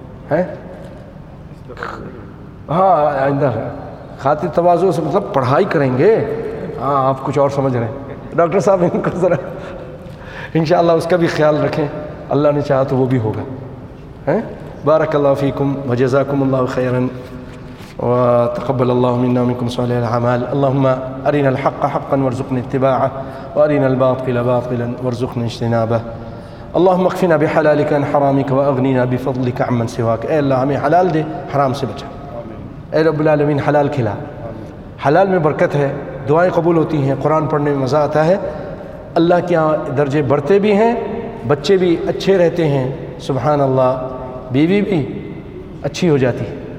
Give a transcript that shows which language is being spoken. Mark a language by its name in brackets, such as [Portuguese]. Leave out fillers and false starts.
[Urdu] ہیں ہاں آئندہ خاطر توازو سے مطلب پڑھائی کریں گے. ہاں آپ کچھ اور سمجھ رہے ہیں, ڈاکٹر صاحب ان کو ذرا انشاءاللہ اس کا بھی خیال رکھیں, اللہ نے چاہا تو وہ بھی ہوگا. [Arabic] ہیں بارک اللہ فیکم وجزاکم اللہ خیراً وتقبل الله منا ومنكم صالح الأعمال. اللهم أرنا الحق حقا وارزقنا اتباعه, وأرنا الباطل باطلا وارزقنا اجتنابه. اللهم اكفنا بحلالك عن حرامك وأغننا بفضلك عمن سواك. [Urdu] اے اللہ ہمیں حلال دے حرام سے بچا, اے رب العالمین حلال کھلا, حلال میں برکت ہے, دعائیں قبول ہوتی ہیں, قرآن پڑھنے میں مزہ آتا ہے, اللہ کے یہاں درجے بڑھتے بھی ہیں, بچے بھی اچھے رہتے ہیں, سبحان اللہ, بیوی بھی اچھی ہو جاتی ہے.